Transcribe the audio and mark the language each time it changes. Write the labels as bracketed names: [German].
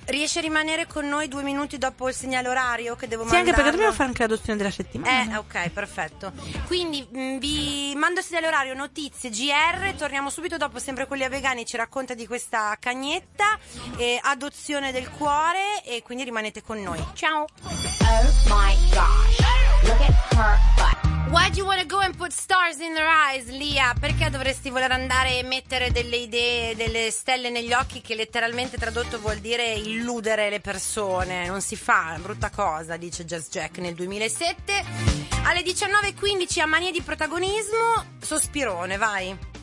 [Italian] Riesce a rimanere con noi 2 minuti dopo il segnale orario che devo sì, mandare? Sì, anche perché dobbiamo fare anche l'adozione della settimana. Ok, perfetto. Quindi vi mando il segnale orario, notizie, GR. Torniamo subito dopo, sempre con Lia Vegani, ci racconta di questa cagnetta e adozione del cuore, e quindi rimanete con noi. Ciao. [English] Oh my gosh, look at her butt. Why do you want to go and put stars in their eyes, Lia? [Italian] Perché dovresti voler andare e mettere delle idee, delle stelle negli occhi, che letteralmente tradotto vuol dire illudere le persone? Non si fa, è una brutta cosa, dice Jazz Jack nel 2007. Alle 19:15 a mania di protagonismo, sospirone, vai.